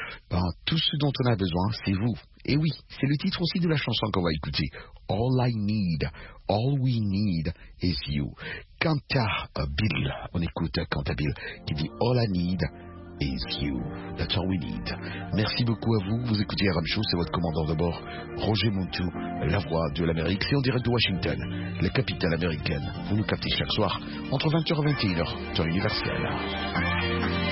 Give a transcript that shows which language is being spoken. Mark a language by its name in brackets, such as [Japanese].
[French] Ben, tout ce dont on a besoin, c'est vous. Et oui, c'est le titre aussi de la chanson qu'on va écouter. [English] All I need, all we need is you. [French] Quanta Bill, on écoute Quanta Bill qui dit All I need is you. [English] That's all we need. [French] Merci beaucoup à vous. Vous écoutez RM Show, c'est votre commandant de bord, Roger Moutou, la voix de l'Amérique. C'est en direct de Washington, la capitale américaine. Vous nous captez chaque soir entre 20h et 21h, temps universel.